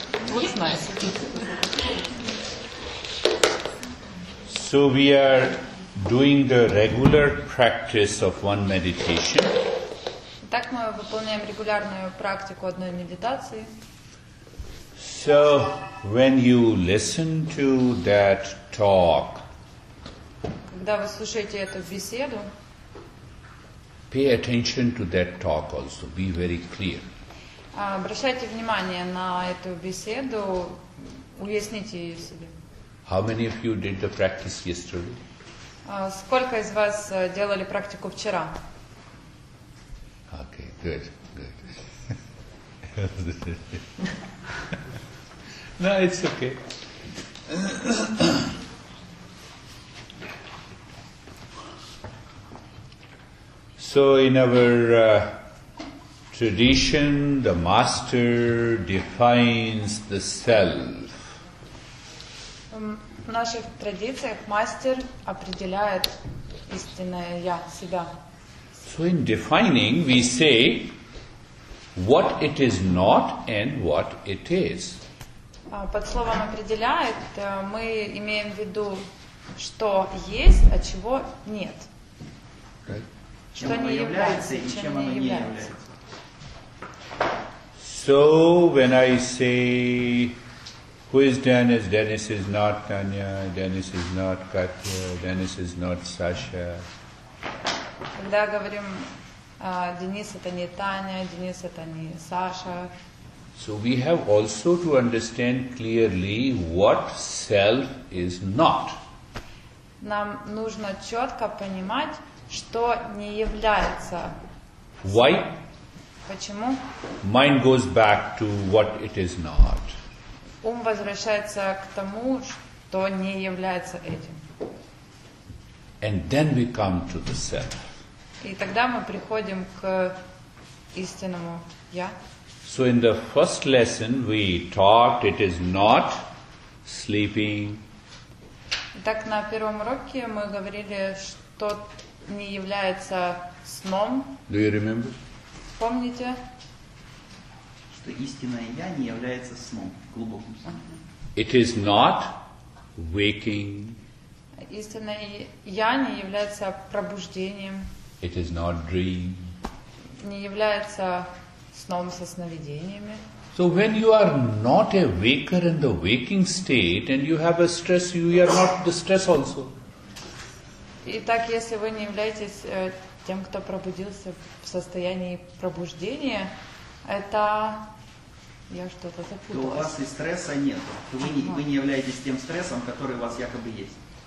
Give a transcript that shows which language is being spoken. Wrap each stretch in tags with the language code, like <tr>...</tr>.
<ru>Вот знаешь.</ru> <en>So we are doing the regular practice of one meditation.</en> <ru>Так мы выполняем регулярную практику одной медитации.</ru> <en>So, when you listen to that talk,</en> <ru>когда вы слушаете эту беседу,</ru> <en>pay attention to that talk also. Be very clear.</en> <ru>Обращайте внимание на эту беседу, уясните ее себе.</ru> <en>How many of you did the practice yesterday?</en> <ru>Сколько из вас делали практику вчера?</ru> <en>Okay, good, good. No, it's okay. So in our tradition, the master defines the self.</en> <ru>В наших традициях мастер определяет истинное я, себя.</ru> <en>So in defining we say what it is not and what it is.</en> <ru>Под словом определяет мы имеем в виду, что есть, а чего нет.</ru> <en>Right.</en> <ru>Что не является и чем оно не является.</ru> <en>So when I say who is Dennis? Dennis is not Tanya. Dennis is not Katya. Dennis is not Sasha.</en> <ru>Когда говорим, Денис это не Таня, Денис это не Саша.</ru> <en>So we have also to understand clearly what self is not.</en> <ru>Нам нужно четко понимать, что не является.</ru> <en>Why?</en> <ru>Почему?</ru> <en>Mind goes back to what it is not.</en> <ru>Ум возвращается к тому, что не является этим.</ru> <en>And then we come to the self.</en> <ru>И тогда мы приходим к истинному я.</ru> <en>So in the first lesson we taught it is not sleeping.</en> <ru>Так на первом уроке мы говорили, что не является сном.</ru> <en>Do you remember?</en> <ru>Помните? Истинное я не является сном, глубоким сном.</ru> <en>It is not waking.</en> <ru>Истинное я не является пробуждением.</ru> <en>It is not dream.</en> <ru>Не является сном со сновидениями.</ru> <en>So when you are not a waker in the waking state and you have a stress, you are not the stress also.</en> <ru>Итак, если вы не являетесь тем, кто пробудился в состоянии пробуждения, это я что-то запуталась. То у вас и стресса нет. Вы не являетесь тем стрессом, который у вас якобы есть.</ru>